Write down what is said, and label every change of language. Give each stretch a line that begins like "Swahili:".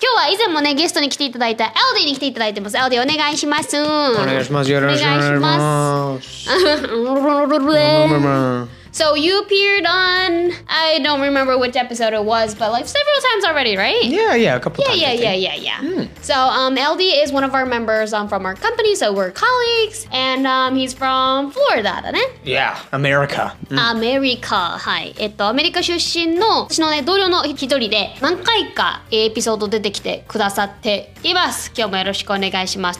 Japanese: 今日は以前もね、ゲストに来ていただいた LD に来ていただいてます。 LD、お願いします。お願いします。よろしくお願いします。
English: So you appeared on, I don't remember which episode it was, but like several times already, right? Yeah, a couple times. Mm. So LD is one of our members from our company, so we're colleagues, and he's from Florida, right? Yeah, America. Mm. America, hi.
Japanese: アメリカ出身の私の同僚の一人で 何回かエピソード出てきてくださっています。今日もよろしくお願いします。